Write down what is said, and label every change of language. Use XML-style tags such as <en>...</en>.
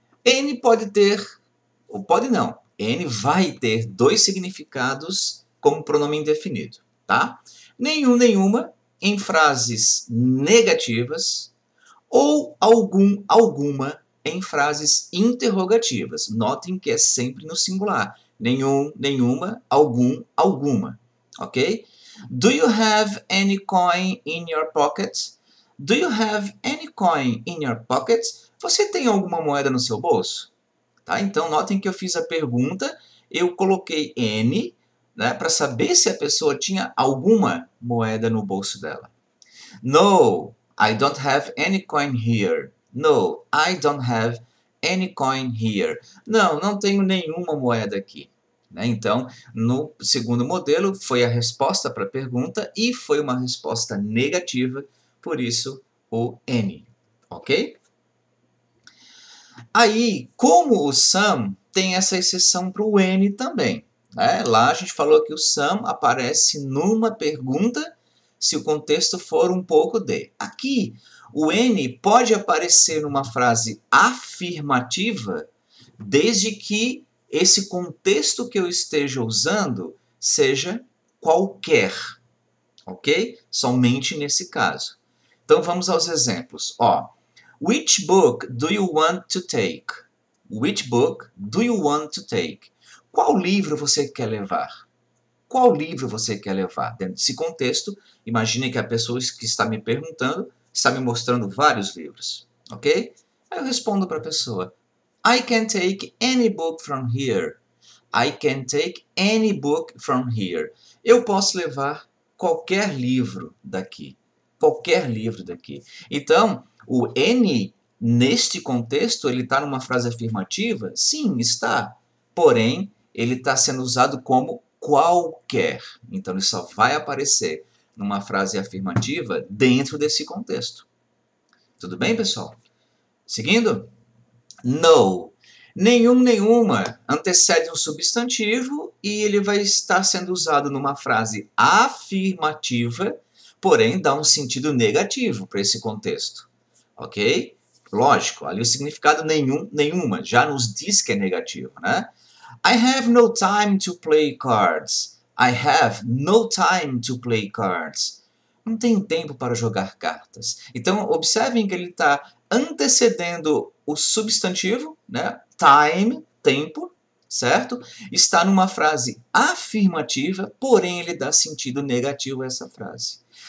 <pt>N pode ter, ou pode não, N vai ter dois significados como pronome indefinido, tá? Nenhum, nenhuma em frases negativas ou algum, alguma em frases interrogativas. Notem que é sempre no singular. Nenhum, nenhuma, algum, alguma. Ok?</pt> <en>Do you have any coin in your pocket? Do you have any coin in your pocket?</en> <pt>Você tem alguma moeda no seu bolso? Tá?</pt> <en>Então, notem que eu fiz a pergunta, eu coloquei N, né, para saber se a pessoa tinha alguma moeda no bolso dela. No, I don't have any coin here. No, I don't have any coin here.</en> <pt>Não, não tenho nenhuma moeda aqui. Né? Então, no segundo modelo, foi a resposta para a pergunta e foi uma resposta negativa, por isso o N. Ok? Aí, como o Sam tem essa exceção para o N também. Né? Lá a gente falou que o Sam aparece numa pergunta se o contexto for um pouco de. Aqui, o N pode aparecer numa frase afirmativa desde que esse contexto que eu esteja usando seja qualquer. Ok? Somente nesse caso. Então, vamos aos exemplos. Ó.</pt> <en>Which book do you want to take? Which book do you want to take?</en> <pt>Qual livro você quer levar? Qual livro você quer levar? Dentro desse contexto, imagine que a pessoa que está me perguntando está me mostrando vários livros, ok? Aí eu respondo para a pessoa.</pt> <en>I can take any book from here. I can take any book from here.</en> <pt>Eu posso levar qualquer livro daqui. Qualquer livro daqui. Então, o N, neste contexto, ele está numa frase afirmativa? Sim, está. Porém, ele está sendo usado como qualquer. Então, ele só vai aparecer numa frase afirmativa dentro desse contexto. Tudo bem, pessoal? Seguindo? No. Nenhuma. Antecede um substantivo e ele vai estar sendo usado numa frase afirmativa, porém, dá um sentido negativo para esse contexto. Ok? Lógico, ali o significado nenhum, nenhuma, já nos diz que é negativo, né?</pt> <en>I have no time to play cards. I have no time to play cards.</en> <pt>Não tenho tempo para jogar cartas. Então, observem que ele está antecedendo o substantivo, né? Time, tempo, certo? Está numa frase afirmativa, porém ele dá sentido negativo a essa frase.</pt>